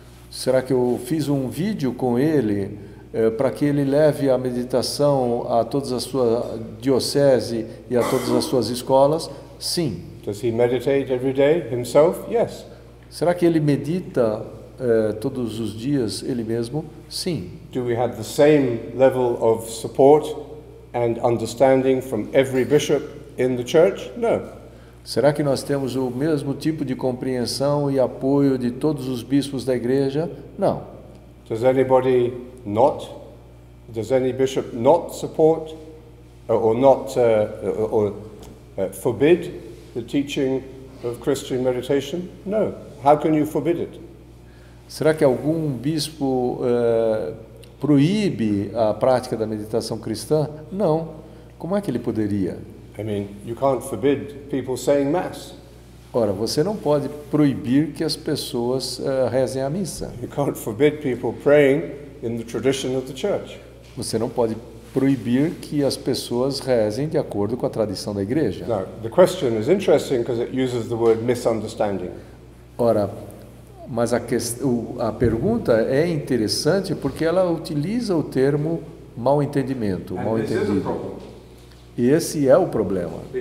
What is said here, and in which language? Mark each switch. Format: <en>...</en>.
<pt>Será que eu fiz um vídeo com ele para que ele leve a meditação a todas as suas diocese e a todas as suas escolas? Sim.</pt> <en>Does he meditate every day himself? Yes.</en> <pt>Será que ele medita todos os dias ele mesmo? Sim.</pt> <en>Do we have the same level of support and understanding from every bishop in the church? No.</en> <pt>Será que nós temos o mesmo tipo de compreensão e apoio de todos os bispos da igreja? Não.</pt> <en>Does anybody not? Does any bishop not support or not or forbid the teaching of Christian meditation? No. How can you forbid it?</en> <pt>Será que algum bispo proíbe a prática da meditação cristã? Não. Como é que ele poderia?</pt> <en>I mean, you can't forbid people saying mass.</en> <pt>Ora, você não pode proibir que as pessoas rezem a missa.</pt> <en>You can't forbid people praying in the tradition of the church.</en> <pt>Você não pode proibir que as pessoas rezem de acordo com a tradição da igreja.</pt> <en>Now, the question is interesting because it uses the word misunderstanding.</en> <pt>Ora, mas a pergunta é interessante porque ela utiliza o termo mal entendimento, mal entendido. E esse é o problema.</pt>